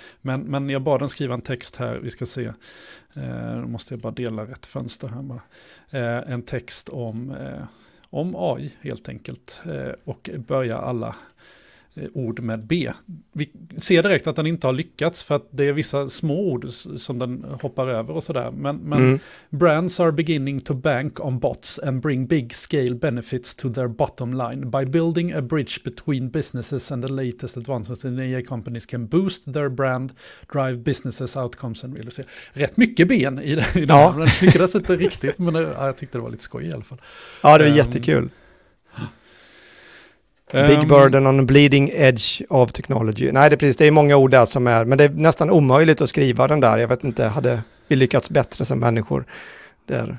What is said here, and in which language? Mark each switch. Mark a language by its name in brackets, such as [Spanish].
[Swedish] Men jag bad den skriva en text här, vi ska se, då måste jag bara dela rätt fönster här bara. En text om AI helt enkelt, och börja alla ord med B. Vi ser direkt att den inte har lyckats för att det är vissa små ord som den hoppar över och sådär. [English] Men brands are beginning to bank on bots and bring big scale benefits to their bottom line. By building a bridge between businesses and the latest advancements in AI companies can boost their brand, drive businesses outcomes and real estate. [Swedish] Rätt mycket ben i det. Ja. Jag tycker det sitter riktigt, men jag tyckte det var lite skoj i alla fall. Ja, det var jättekul. [English] Big burden on the bleeding edge of technology. [Swedish] Nej, det är precis, det är många ord där som är, men det är nästan omöjligt att skriva den där. Jag vet inte, hade vi lyckats bättre som människor där?